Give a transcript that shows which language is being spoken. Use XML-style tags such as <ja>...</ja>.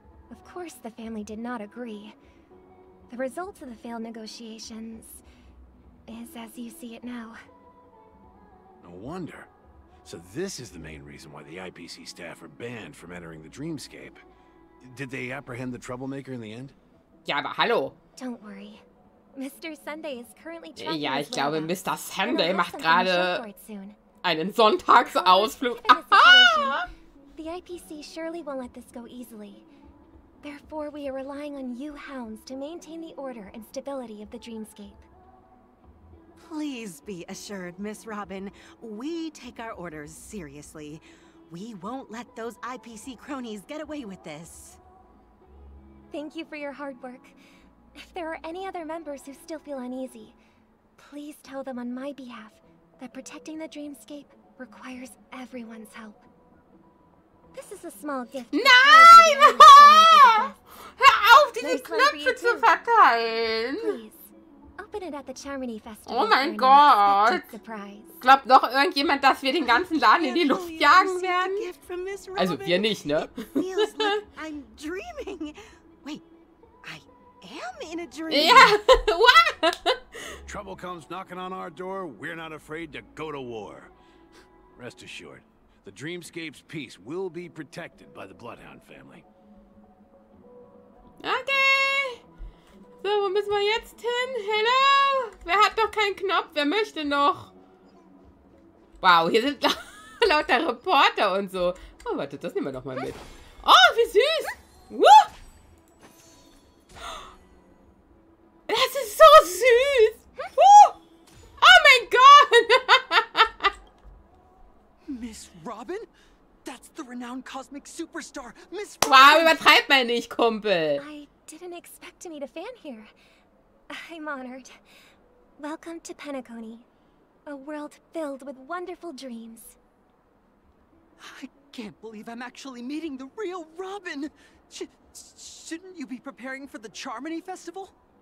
<en>Of course, the family did not agree. The results of the failed negotiations is as you see it now. No wonder. So this is the main reason why the IPC staff are banned from entering the Dreamscape. Did they apprehend the troublemaker in the end?</en> <de>Ja, aber hallo.</de> <en>Don't worry. Mr. Sunday is currently checking.</en> <de>Ja, ich glaube, Mr. Sunday macht gerade einen Sonntagsausflug. Aha!</de> <en>The IPC surely won't let this go easily. Therefore, we are relying on you hounds to maintain the order and stability of the Dreamscape. Please be assured, Miss Robin, we take our orders seriously. We won't let those IPC cronies get away with this. Thank you for your hard work. If there are any other members who still feel uneasy, please tell them on my behalf that protecting the Dreamscape requires everyone's help. This is a small gift.</en> <de>Nein! Hör auf, diese Knöpfe zu verteilen!</de> <en>Please. Open it at the Charmony Festival.</en> <de>Oh mein Gott! Glaubt noch irgendjemand, dass wir den ganzen Laden in die Luft jagen werden? Also wir nicht, ne?</de> <en>I'm dreaming. Wait, I am in a dream. Yeah. What? Trouble comes knocking on our door. We're not afraid to go to war. Rest assured, the Dreamscape's peace will be protected by the Bloodhound family. Okay.</en> <de>So, wo müssen wir jetzt hin? Hello? Wer hat doch keinen Knopf? Wer möchte noch? Wow, hier sind lauter Reporter und so. Oh, warte, das nehmen wir doch mal mit. Oh, wie süß! Das ist so süß! Oh mein Gott!</de> <en>Miss Robin? That's the renowned cosmic superstar, Miss Robin!</en> <de>Wow, übertreib mal nicht, Kumpel!</de> <en>Didn't expect to meet a fan here. I'm honored. Welcome to Penacony, a world filled with wonderful dreams. I can't believe I'm actually meeting the real Robin. Shouldn't you be preparing for the Charmony Festival?</en>